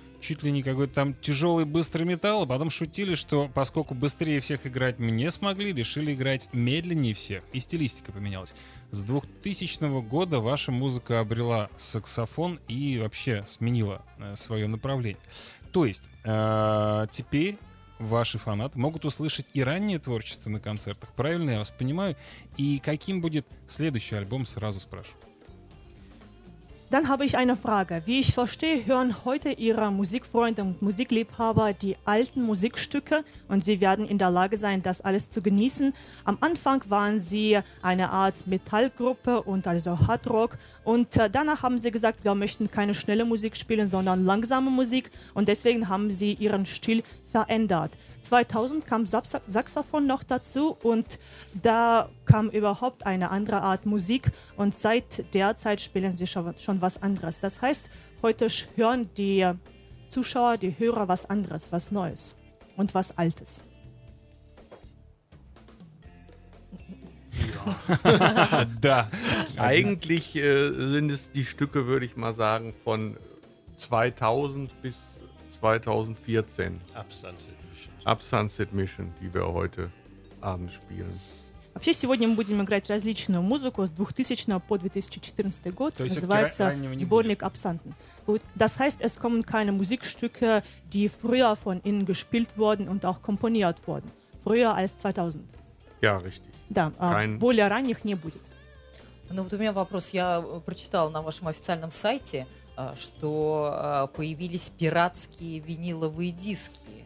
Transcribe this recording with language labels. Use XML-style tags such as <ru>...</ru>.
<ru>чуть ли не какой-то там тяжелый быстрый металл, а потом шутили, что поскольку быстрее всех играть не смогли, решили играть медленнее всех, и стилистика поменялась. С 2000 года ваша музыка обрела саксофон и вообще сменила свое направление. То есть теперь ваши фанаты могут услышать и раннее творчество на концертах. Правильно я вас понимаю? И каким будет следующий альбом, сразу спрошу.</ru> <de>Dann habe ich eine Frage. Wie ich verstehe, hören heute Ihre Musikfreunde und Musikliebhaber die alten Musikstücke und Sie werden in der Lage sein, das alles zu genießen. Am Anfang waren Sie eine Art Metallgruppe und also Hardrock und danach haben Sie gesagt, wir möchten keine schnelle Musik spielen, sondern langsame Musik und deswegen haben Sie Ihren Stil verändert. 2000 kam Saxophon noch dazu und da kam überhaupt eine andere Art Musik und seit der Zeit spielen sie schon was anderes. Das heißt, heute hören die Zuschauer, die Hörer was anderes, was Neues und was Altes. Ja. Da. Eigentlich sind es die Stücke, würde ich mal sagen, von 2000 bis 2014. Absunset Mission, die wir heute Abend spielen.</de> <ru>Вообще сегодня мы будем играть различную музыку с 2000 по 2014 год. То называется сборник Absunten.</ru> <de>Das heißt, es kommen keine Musikstücke, die früher von ihnen gespielt wurden und auch komponiert wurden. Früher als 2000. Ja, richtig.</de> <ru>Да, более ранних не будет. Ну вот у меня вопрос. Я прочитал на вашем официальном сайте, что появились пиратские виниловые диски.</ru>